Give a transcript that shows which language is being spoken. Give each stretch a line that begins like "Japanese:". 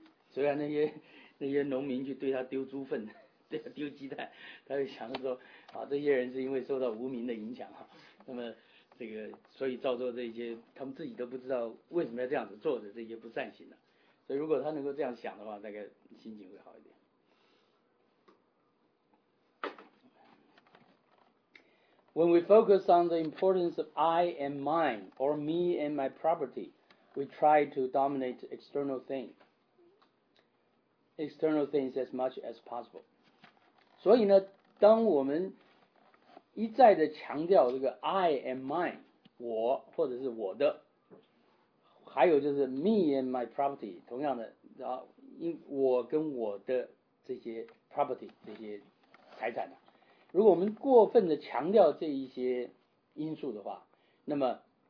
Chinese: 虽然那些农民去对他丢猪粪，对他丢鸡蛋，他就想着说啊，这些人是因为受到无明的影响啊，那么这个所以造作这些他们自己都不知道为什么要这样子做的这些不善行的、啊、所以如果他能够这样想的话，大概心情会好一点。
English: When we focus on the importance of I and mine, or me and my property, we try to dominate external things as much as possible.
Chinese: 所以呢，当我们一再的强调这个
English: I and mine,
Chinese: 我或者是我的，还有就是
English: me and my property,
Chinese: 同样的，然后我跟我的这些 property, 这些财产呢，如果我们过分的强调这一些因素的话，那么